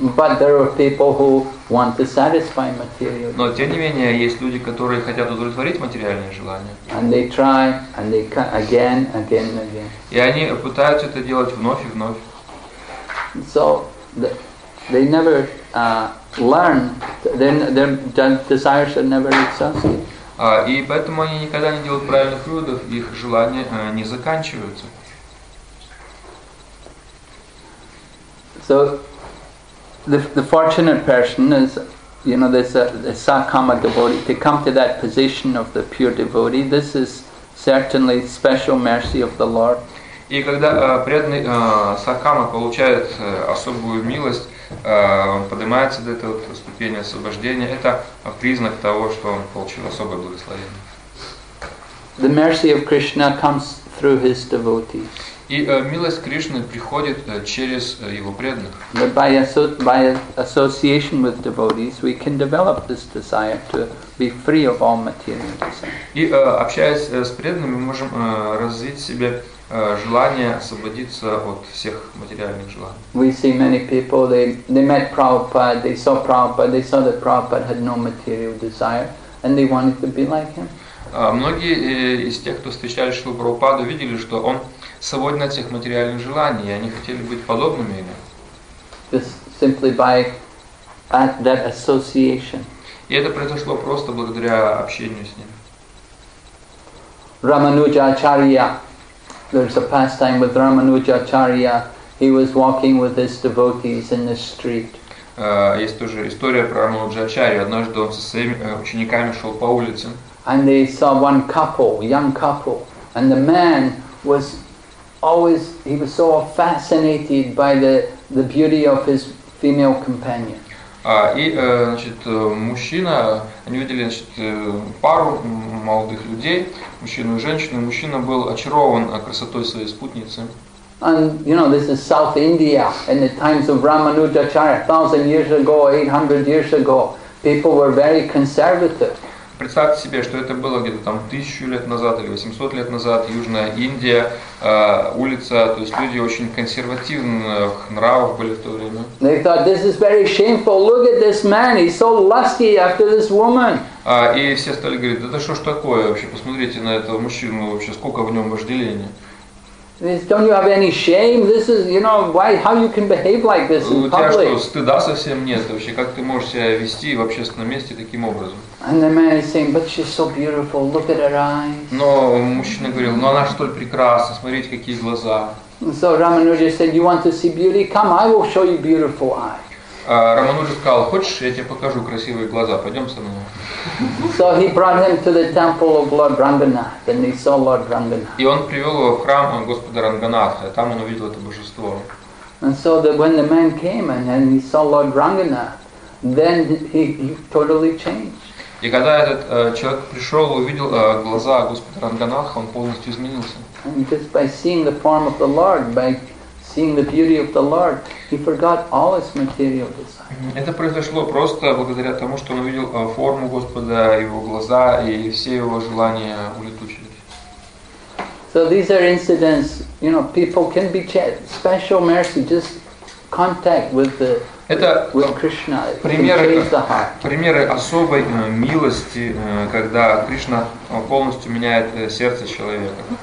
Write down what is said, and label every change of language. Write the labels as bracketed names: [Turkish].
[English] But there are people who want to satisfy material. [Russian] Но тем не менее есть люди, которые хотят удовлетворить материальные желания. [English] And they try and they again, again, again. [Russian] И они пытаются это делать вновь и вновь. [English] So they never learn. Their desires are never exhausted. [Russian] И поэтому они никогда не делают правильных выводов, их желания не заканчиваются. [English] So the fortunate person is, you know, this the Sakama devotee, to come to that position of the pure devotee, this is certainly special mercy of the Lord. [Russian] И когда преданный Сакама получает особую милость, он поднимается до этого ступени освобождения. Это признак того, что он получил особое благословение. [English] The mercy of Krishna comes through his devotees. [Russian] И милость Кришны приходит через его преданных. [English] But by association with devotees, we can develop this desire to be free of all material desires. [Russian] И общаясь с преданными, мы можем развить себе желание освободиться от всех материальных желаний. [English] We see many people, they met Prabhupada, they saw Prabhupada, they saw that Prabhupada had no material desire, and they wanted to be like him. [Russian] Многие из тех, кто встречали Шрилу Прабхупаду, видели, что он свободен от всех материальных желаний, и они хотели быть подобными ему. [English] Just simply by that association. [Russian] И это произошло просто благодаря общению с ним. [English] Рамануджа Ачарья. There's a pastime with Рамануджа Ачарья. He was walking with his devotees in the street. [Russian] Есть тоже история про Рамануджа Ачарья. Однажды он со своими учениками шел по улице. [English] And they saw one couple, young couple, and the man was always he was so fascinated by the beauty of his female companion. [Russian] Значит, мужчина, они видели, значит, пару молодых людей, мужчину и женщину, и мужчина был очарован красотой своей спутницы. [English] And, you know, this is South India, in the times of Рамануджа Ачарья, 1,000 years ago, 800 years ago, people were very conservative. [Russian] Представьте себе, что это было где-то там 1000 лет назад или 800 лет назад, Южная Индия, улица, то есть люди очень консервативных нравов были в то время. [English] They thought, this is very shameful, look at this man, he's so lusty after this woman. [Russian] И все стали говорить, да это что ж такое вообще, посмотрите на этого мужчину вообще, сколько в нем вожделения. [English] Don't you have any shame? This is, you know, why? How you can behave like this in public? [Russian] У тебя что, стыда совсем нет вообще? Как ты можешь себя вести в общественном месте таким образом? [English] And the man is saying, but she's so beautiful. Look at her eyes. [Russian] Но мужчина говорил, но она столь прекрасна. Смотрите, какие глаза. [English] So Ramanuja said, you want to see beauty? Come, I will show you beautiful eyes. [Russian] Рамануджа сказал, хочешь, я тебе покажу красивые глаза, пойдем со мной. [English] So he brought him to the temple of Lord Ranganath, and he saw Lord Ranganath. [Russian] И он привел его в храм Господа Ранганатха, там он увидел это божество. [English] And so that when the man came and he saw Lord Ranganath, then he totally changed. [Russian] И когда этот человек пришел, увидел глаза Господа Ранганатха, он полностью изменился. [English] And just by seeing the form of the Lord, by seeing the beauty of the Lord, he forgot all his material desires. [Russian] Это произошло просто благодаря тому, что он увидел форму Господа, его глаза и все его желания улетучились. [English] So these are incidents, you know, people can be special mercy, just contact with the with Krishna. [Russian] Примеры особой милости, когда Кришна полностью меняет сердце человека.